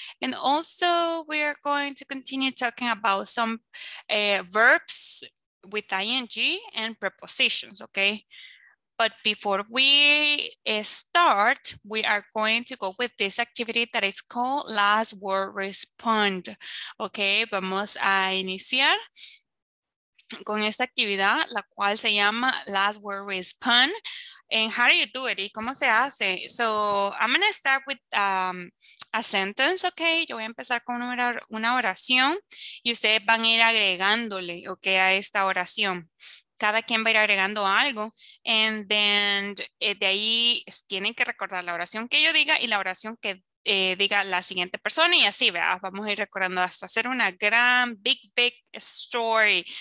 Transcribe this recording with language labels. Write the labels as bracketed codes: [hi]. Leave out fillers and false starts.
[en] And also we are going to continue talking about some verbs with ing and prepositions, okay? But before we start, we are going to go with this activity that is called last word respond. [es] Okay, vamos a iniciar con esta actividad, la cual se llama last word respond. [en] And how do you do it? [es] ¿Y cómo se hace? [en] So I'm going to start with a sentence, okay? [es] Yo voy a empezar con una oración y ustedes van a ir agregándole, okay, a esta oración. Cada quien va a ir agregando algo. [en] And then [es] de ahí tienen que recordar la oración que yo diga y la oración que diga la siguiente persona y así, ¿verdad? Vamos a ir recordando hasta hacer una gran, [en] big, big story.